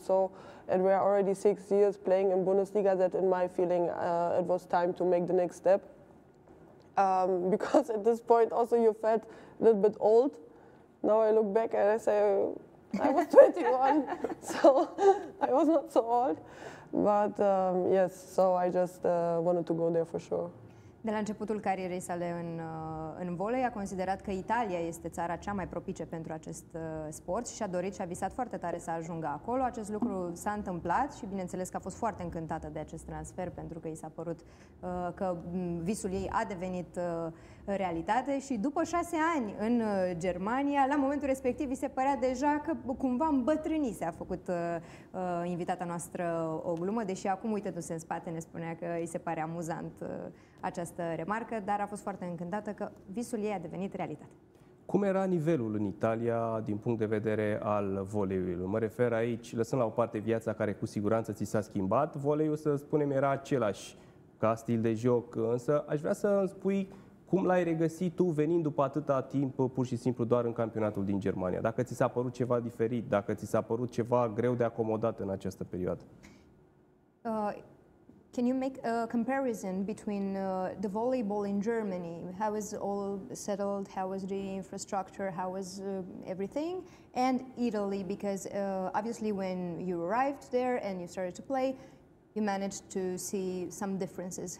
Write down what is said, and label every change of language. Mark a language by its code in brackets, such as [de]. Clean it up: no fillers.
[en] So, and we're already 6 years playing in Bundesliga. That, in my feeling, it was time to make the next step. Because at this point, also you felt a little bit old. Now I look back and I say, I was 21, so I was not so old. But yes, so I just wanted to go there for sure. [ro] De la începutul carierei sale în volei, a considerat că Italia este țara cea mai propice pentru acest sport și a dorit și a visat foarte tare să ajungă acolo. Acest lucru s-a întâmplat și bineînțeles că a fost foarte încântată de acest transfer, pentru că i s-a părut că visul ei a devenit realitate. Și după 6 ani în Germania, la momentul respectiv i se părea deja că cumva îmbătrânise, a făcut invitata noastră o glumă, deși acum, uitându-se în spate, ne spunea că îi se pare amuzant această remarcă, dar a fost foarte încântată că visul ei a devenit realitate. Cum era nivelul în Italia din punct de vedere al voleiului? Mă refer aici, lăsând la o parte viața care cu siguranță ți s-a schimbat, voleiul, să spunem, era același ca stil de joc, însă aș vrea să îmi spui cum l-ai regăsit tu venind după atâta timp pur și simplu doar în campionatul din Germania. Dacă ți s-a părut ceva diferit, dacă ți s-a părut ceva greu de acomodat în această perioadă? [en] Can you make a comparison between the volleyball in Germany? How is all settled? How was the infrastructure? How was everything? And Italy, because obviously when you arrived there and you started to play, you managed to see some differences.